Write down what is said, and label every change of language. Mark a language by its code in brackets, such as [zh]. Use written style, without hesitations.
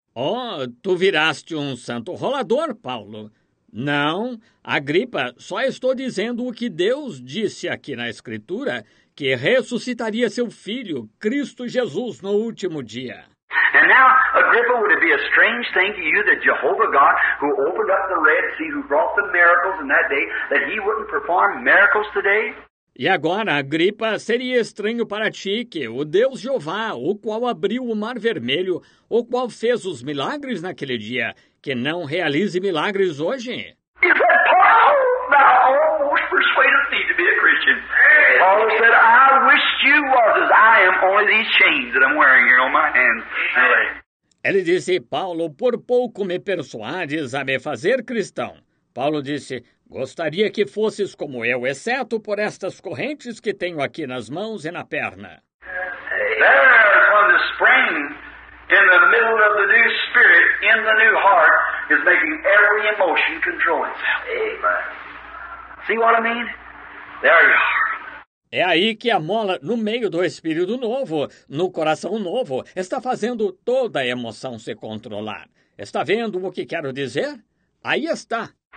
[pt] Oh, tu viraste um santo rolador, Paulo. Não, Agripa, só estou dizendo o que Deus disse aqui na escritura, que ressuscitaria seu filho, Cristo Jesus, no último dia. [en] And now, Agripa, would it be a strange thing to you that Jehovah God, who opened up the Red Sea, who brought the miracles in that day, that he wouldn't perform miracles today? [pt] E agora, Agripa, seria estranho para ti que o Deus Jeová, o qual abriu o Mar Vermelho, o qual fez os milagres naquele dia, que não realize milagres hoje? [en] He said, Paul, thou almost persuaded me to be a Christian. Paul said, I wish you was as I am, only these chains that I'm wearing here on my hands. [pt] Ele disse, Paulo, por pouco me persuades a me fazer cristão. Paulo disse, gostaria que fosses como eu, exceto por estas correntes que tenho aqui nas mãos e na perna. [en] There from the spring, in the middle of the new spirit, in the new heart, is making every emotion control itself. Amen. See what I mean? There you are. [pt] É aí que a mola, no meio do Espírito Novo, no coração novo, está fazendo toda a emoção se controlar. Está vendo o que quero dizer? Aí está.